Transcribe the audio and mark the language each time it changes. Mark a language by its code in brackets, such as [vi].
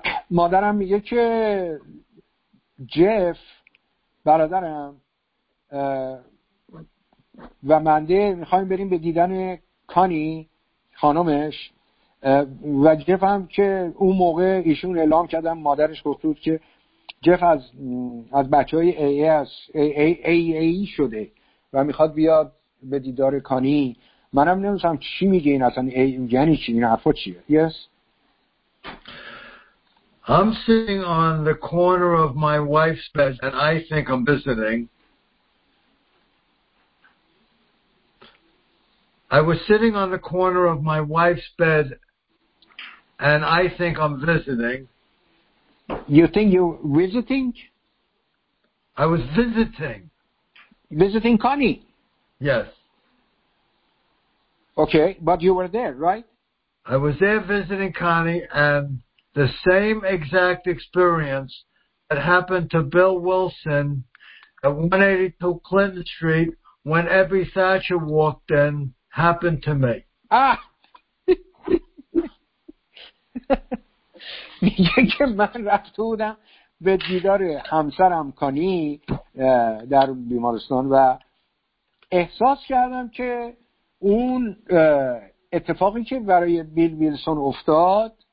[fa] مادرم میگه که جف برادرم و منده میخوایم بریم به دیدن کانی خانمش و جف هم که اون موقع ایشون اعلام کردن مادرش گفت که جف از بچه های AA هست AA شده و میخواد بیاد به دیدار کانی. منم نمی‌دونم چی میگه این اصلا، یعنی چی این حرفا چیه. [en] Yes. I'm sitting on the corner of my wife's bed and I think I'm visiting. I was sitting on the corner of my wife's bed and I think I'm visiting. You think you're visiting? I was visiting. Visiting Connie. Yes. Okay, but you were there, right? I was there visiting Connie, and the same exact experience that happened to Bill Wilson at 182 Clinton Street when Abby Thatcher walked in happened to me. Ah! [fa] میگه که من رفته بودم به دیدار همسرم کانی در بیمارستان و احساس کردم که اون اتفاقی که برای بیل ویلسون افتاد،